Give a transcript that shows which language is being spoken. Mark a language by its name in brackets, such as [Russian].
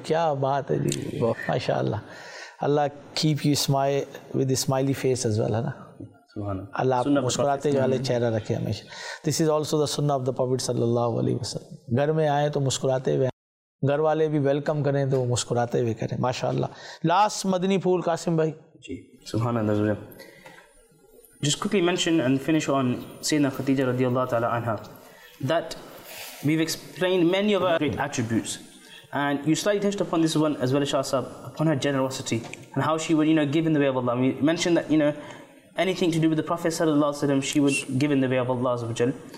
[Urdu] کیا بات ہے جی, ماشاء اللہ, [English] اللہ keep you smile with smiley face as well, [Urdu] ہے نا, اللہ آپ مسکراتے والے چہرہ رکھے ہمیشہ. [English] This is also the سنہ of the prophet صلی اللہ علیہ وسلم. [Urdu] گھر میں آئیں تو مسکراتے ہوئے, گھر والے بھی ویلکم کریں تو مسکراتے ہوئے کریں, ماشاء اللہ. لاسٹ مدنی پھول قاسم بھائی. جی سبحان اللہ. [English] Just quickly mention and finish on سیدنا Khadija رضی اللہ تعالیٰ عنہ, that we've explained many of her great attributes, and you slightly touched upon this one as well, Shah Sahab, upon her generosity and how she would, you know, give in the way of Allah. We mentioned that, you know, anything to do with the Prophet sallallahu alaihi wasallam, she would give in the way of Allah azza wa jal.